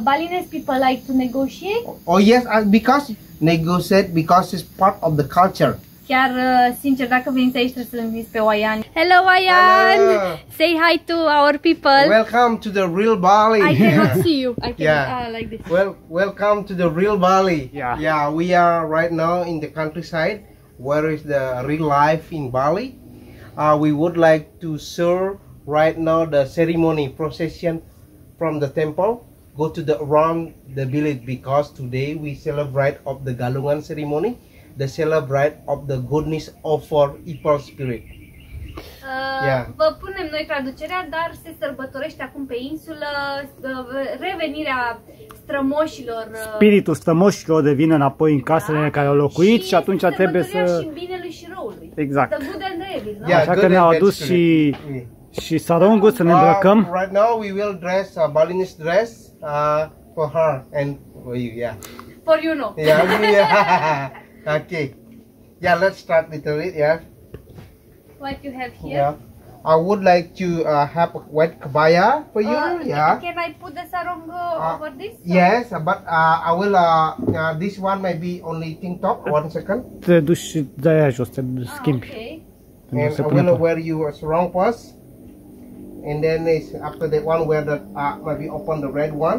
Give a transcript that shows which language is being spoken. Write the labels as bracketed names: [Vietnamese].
[English] Balinese people like to negotiate? Oh yes, because negotiate because it's part of the culture. [Romanian] Chiar, sincer, dacă veniți aici, trebuie să-l înviți pe Oian. [English] Hello, Oian! Hello. Say hi to our people. Welcome to the real Bali. I cannot see you. I cannot, yeah. Like this. Welcome to the real Bali. Yeah. Yeah, we are right now in the countryside, where is the real life in Bali. We would like to serve right now the ceremony procession from the temple, go to the around the village, because today we celebrate of the Galungan ceremony. The celebrate of the goodness of our evil spirit. [Romanian] Vă punem noi traducerea, dar se sărbătorește acum pe insulă revenirea strămoșilor. Spiritul strămoșilor devine înapoi în casele în care au locuit și atunci trebuie să... Și binelui și răului. Exact. [English] The good and the evil, no? [Romanian] Yeah, așa că ne-au adus și, și sarongul să ne îmbrăcăm. [English] Right now we will dress a Balinese dress for her and for you, yeah. For you, no. Yeah, yeah. Okay, yeah, let's start with it, yeah. What you have here? Yeah, I would like to have a white kebaya for you, yeah. Can I put the sarong over this? Or? Yes, but I will, this one may be only tink top, one second. [Romanian] Te duci și de-aia jos, te duci schimbi. [English] Okay. And I will wear you a sarong first. And then it's after that one, wear the, maybe open the red one.